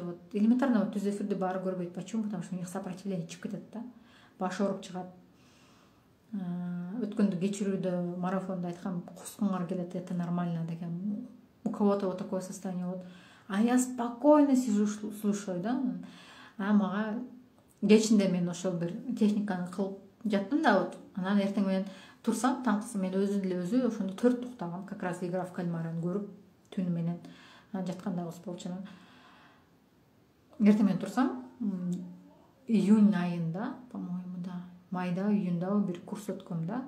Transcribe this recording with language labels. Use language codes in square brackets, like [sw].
[ru] Вот элементарно вот [ky] түз эфирди баары көрбөйт. [ru] Почему? Потому что у них сопротивление [ky] чыгып кетет да. Башы ооруп чыгат. Өткөндө кечирүүдө марафондо айткам, кускуңар келет, [ru] это нормально [ky] деген. [ru] У кого-то вот такое состояние вот. А я спокойно сижу слушаю, да. [ky] А мага кечинде мен ошол бир техниканы кылып жаттым да вот. Анан эртең менен турсам таңкысы мен өзү деле өзү ошондо төрт уктагам, как раз игра в кальмарын көрүп түнү менен жатканда ус болчунан. Эртең менен турсам июнь айында, по-моему, да, майда, июнда бир курс өткөм да.